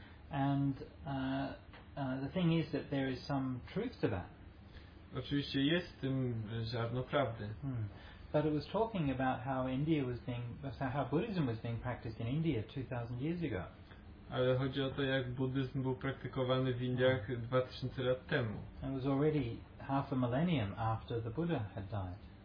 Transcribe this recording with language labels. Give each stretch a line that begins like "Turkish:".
English: And the thing is that there is some truth to that.
Polish: Oczywiście jest w tym ziarno prawdy.
English: But it was talking about how India was being, how Buddhism was being practiced in India 2000 years ago.
Polish: Ale chodzi o to, jak buddyzm był praktykowany w Indiach 2000 lat temu.
English: It was already half a millennium after the Buddha had died.